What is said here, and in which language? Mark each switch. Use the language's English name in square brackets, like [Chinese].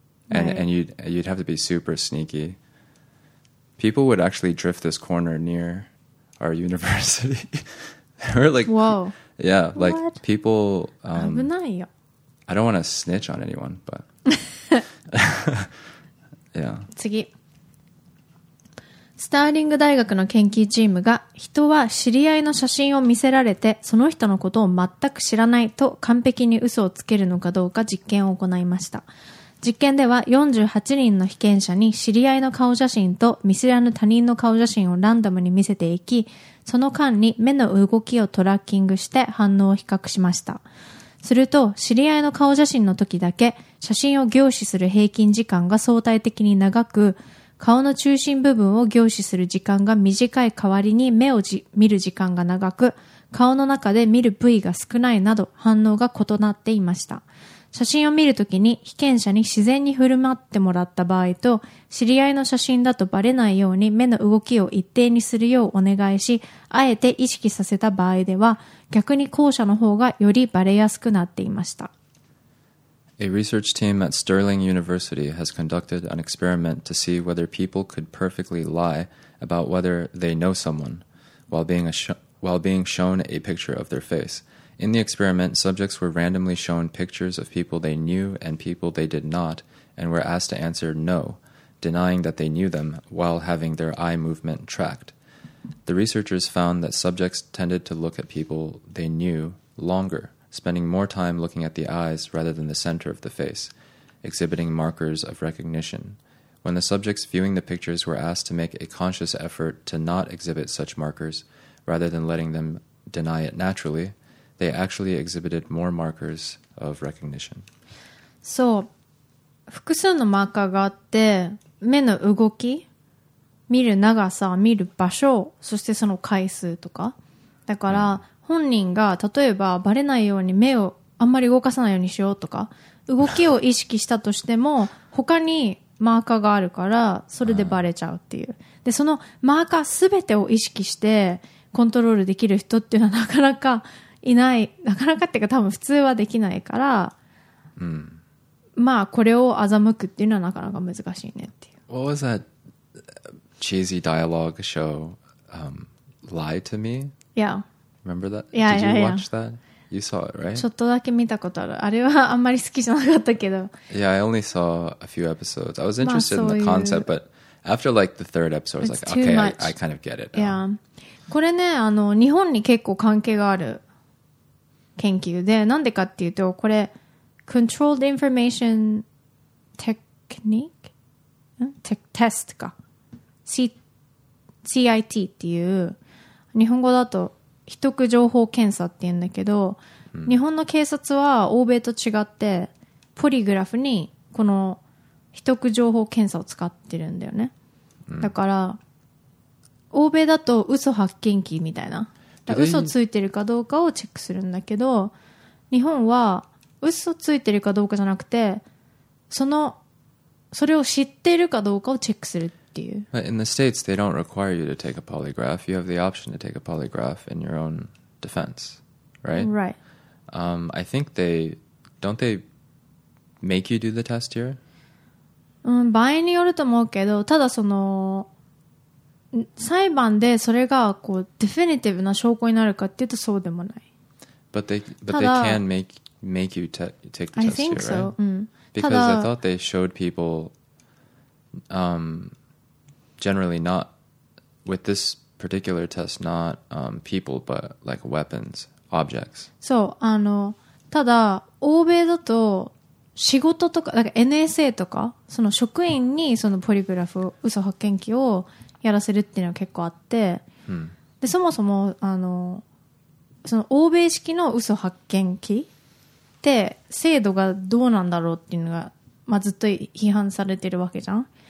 [English] And right. And you'd have to be super sneaky. People would actually drift this corner near our university. Or like, whoa. Yeah, what? Like people. Abunai요. I don't want to snitch on anyone, but yeah. [Japanese] 次。スターリング大学の研究チームが人は知り合いの写真を見せられてその人のことを全く知らないと完璧に嘘をつけるのかどうか実験を行いました。実験では48人の被験者に知り合いの顔写真と見知らぬ他人の顔写真をランダムに見せていき、その間に目の動きをトラッキングして反応を比較しました。すると知り合いの顔写真の時だけ写真を凝視する平均時間が相対的に長く、顔の中心部分を凝視する時間が短い代わりに目を見る時間が長く、顔の中で見る部位が少ないなど反応が異なっていました。写真を見るときに被験者に自然に振る舞ってもらった場合と、知り合いの写真だとバレないように目の動きを一定にするようお願いし、あえて意識させた場合では、逆に後者の方がよりバレやすくなっていました。 [English] A research team at Stirling University has conducted an experiment to see whether people could perfectly lie about whether they know someone while being shown a picture of their face. In the experiment, subjects were randomly shown pictures of people they knew and people they did not, and were asked to answer no, denying that they knew them, while having their eye movement tracked. The researchers found that subjects tended to look at people they knew longer, spending more time looking at the eyes rather than the center of the face, exhibiting markers of recognition. When the subjects viewing the pictures were asked to make a conscious effort to not exhibit such markers, rather than letting them deny it naturally, they actually exhibited more markers of recognition. [Japanese] そう、複数のマーカーがあって、目の動き、見る長さ、見る場所、そしてその回数とか。だから、うん、本人が例えばバレないように目をあんまり動かさないようにしようとか動きを意識したとしても他にマーカーがあるからそれでバレちゃうっていう、でそのマーカーすべてを意識してコントロールできる人っていうのはなかなかいない、なかなかっていうか多分普通はできないから、うん、まあこれを欺くっていうのはなかなか難しいねっていう。 [English] What was that cheesy dialogue show、Lie to Me? Yeah. Remember that? Yeah, Did you yeah, watch yeah. that? You saw it, right? [Japanese] ちょっとだけ見たことある。あれはあんまり好きじゃなかったけど。 [English] Yeah, I only saw a few episodes. I was interested、まあ、in the concept, but after like the third episode, I was like, okay, I kind of get it. [Japanese] Yeah. これね、あの、日本に結構関係がある研究で、なんでかっていうと、これ、Controlled Information Technique? Test か。 CIT っていう、日本語だと、秘匿情報検査って言うんだけど、うん、日本の警察は欧米と違ってポリグラフにこの秘匿情報検査を使ってるんだよね、うん、だから欧米だと嘘発見器みたいな、だから嘘ついてるかどうかをチェックするんだけど、日本は嘘ついてるかどうかじゃなくて、そのそれを知っているかどうかをチェックする [English] But in the States, they don't require you to take a polygraph. You have the option to take a polygraph in your own defense, right? Right. I think they... Don't they make you do the test here? [Japanese] うん、場合によると思うけど、ただその裁判でそれがこうdefinitiveな証拠になるかっていうとそうでもない。 [English] But they can make you take the test so. right? I think so. Because I thought they showed people... Generally not with this particular test, not people, but like weapons, objects. [Japanese] そう、あの、ただ欧米だと仕事とか、なんか NSA とかその職員にそのポリグラフ、嘘発見器をやらせるっていうのは結構あって、うん、でそもそもあの、その欧米式の嘘発見器って精度がどうなんだろうっていうのが、まあ、ずっと批判されてるわけじゃん。